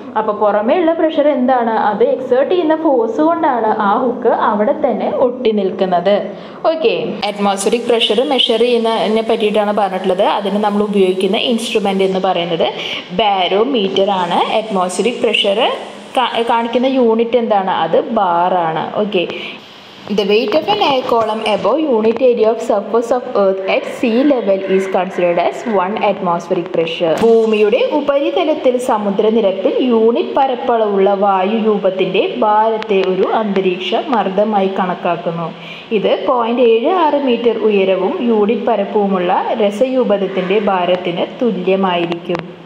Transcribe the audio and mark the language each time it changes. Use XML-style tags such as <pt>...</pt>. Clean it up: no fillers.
<ml>അപ്പോൾ പുറമേ ഉള്ള പ്രഷർ എന്താണ്, അത് എക്സേർട്ട് ചെയ്യുന്ന ഫോഴ്സ് കൊണ്ടാണ് ആ ഹുക്ക് അവിടെ തന്നെ ഒട്ടി നിൽക്കുന്നത്. ഓക്കെ, അറ്റ്മോസ്ഫിയറിക് പ്രഷർ മെഷർ ചെയ്യുന്നതിനെ പറ്റിയിട്ടാണ് പറഞ്ഞിട്ടുള്ളത്. അതിന് നമ്മൾ ഉപയോഗിക്കുന്ന ഇൻസ്ട്രുമെൻ്റ് എന്ന് പറയുന്നത് ബാരോ മീറ്റർ ആണ്. അറ്റ്മോസ്ഫിയറിക് പ്രഷർ കാണിക്കുന്ന യൂണിറ്റ് എന്താണ്, അത് ബാറാണ്. Okay,</ml> <en>The weight of an air column above unit area of surface of earth at sea level is considered as 1 atmospheric pressure.</en> <ml>ഭൂമിയുടെ ഉപരിതലത്തിൽ സമുദ്രനിരപ്പിൽ യൂണിറ്റ് പരപ്പളവുള്ള വായു രൂപത്തിൻ്റെ ഭാരത്തെ ഒരു അന്തരീക്ഷ മർദ്ദമായി കണക്കാക്കുന്നു. ഇത് 0.76 meter ഉയരവും യൂണിറ്റ് പരപ്പുമുള്ള രസരൂപത്തിൻ്റെ ഭാരത്തിന് തുല്യമായിരിക്കും.</ml>